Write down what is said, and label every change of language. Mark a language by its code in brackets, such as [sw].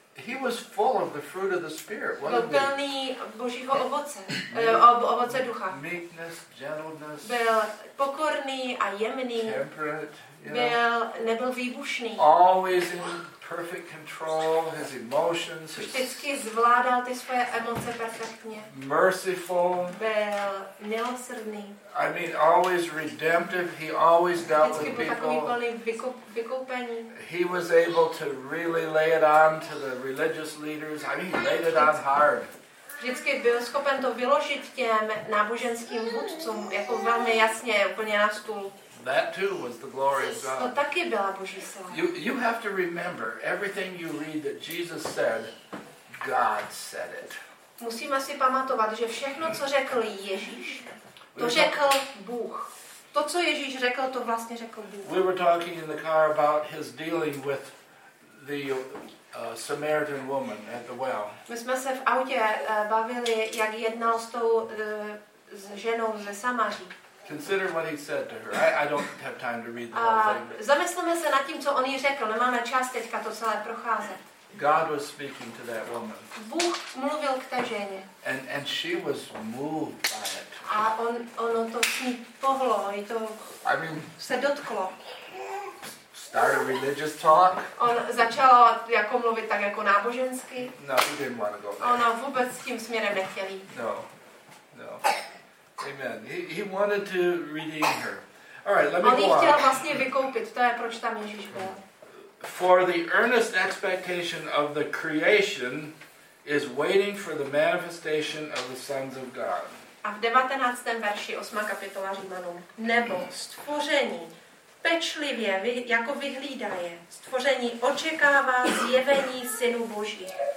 [en] He was full of the fruit of the Spirit. [cs] Byl plný Božího ovoce, ovoce ducha. [en] Meekness, gentleness. [cs] Byl pokorný a jemný. [en] Temperate. [cs] Nebyl výbušný. [en] Always in perfect control, his emotions. [cs] Vždycky zvládal ty svoje emoce perfektně. [en] Merciful. [cs] Byl milosrdný. [en] I mean, always redemptive. He always dealt with people. [cs] Vždycky byl takový plný vykoupení. [en] He was able to really lay it on to the religious leaders. I mean, he laid it on hard. [cs] Vždycky byl schopen to vyložit těm náboženským vůdcům jako velmi jasně, úplně na stůl. [en] That too was the glory of God. [cs] To taky byla Boží sláva. [en] You have to remember everything you read that Jesus said, God said it. [cs] Musíme si pamatovat, že všechno, co řekl Ježíš, to řekl Bůh. To, co Ježíš řekl, to vlastně řekl Bůh. [en] We were talking in the car about his dealing with the Samaritan woman at the well. [cs] My jsme se v autě bavili, jak jednal s tou s ženou ze Samaří. [en] Consider what he said to her. I don't have time to read the whole thing. [cs] Zamysleme se nad tím, co on jí řekl. Nemáme čas teďka to celé procházet. [en] God was speaking to that woman. [cs] Bůh mluvil k té ženě. [en] And she was moved by it. [cs] A ono to s ní pohlo, i to se dotklo. [en] Start a religious talk. [cs] On začal jako mluvit tak jako nábožensky. [en] No, he didn't want to go there. [cs] Ona vůbec s tím směrem nechtěl jít. [en] No. Amen. He wanted to redeem her. All right, let me go on. [cs] Chtěl vlastně vykoupit, to je proč tam Ježíš byl. [en] For the earnest expectation of the creation is waiting for the manifestation of the sons of God. [cs] A v 19. verši 8. kapitola Římanům. Nebo stvoření pečlivě jako vyhlídá je. Stvoření očekává zjevení synu Boží.